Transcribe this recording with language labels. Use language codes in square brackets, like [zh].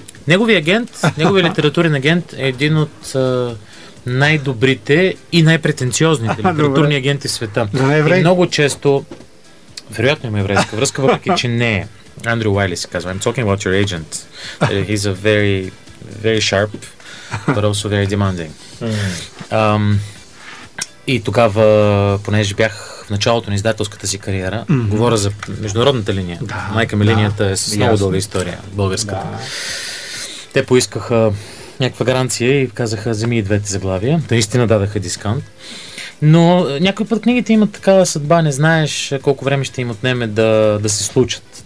[bg] Неговият агент, неговият литературен агент е един от най-добрите и най-претенциозните литературни агенти в света. Еврей? И много често, вероятно има еврейска връзка, въпреки че не е. [en] Andrew Wiley [bg] се казва. [en] I'm talking about your agent. He's a very, very sharp, but also very demanding. [bg] И тогава, понеже бях в началото на издателската си кариера, говоря за международната линия. Да, майка ми линията е с много дълга история, българската. Да. Те поискаха някаква гаранция и казаха, вземи и двете заглавия. Та наистина дадаха дискаунт. Но някой път книгите имат такава съдба, не знаеш колко време ще им отнеме да се случат.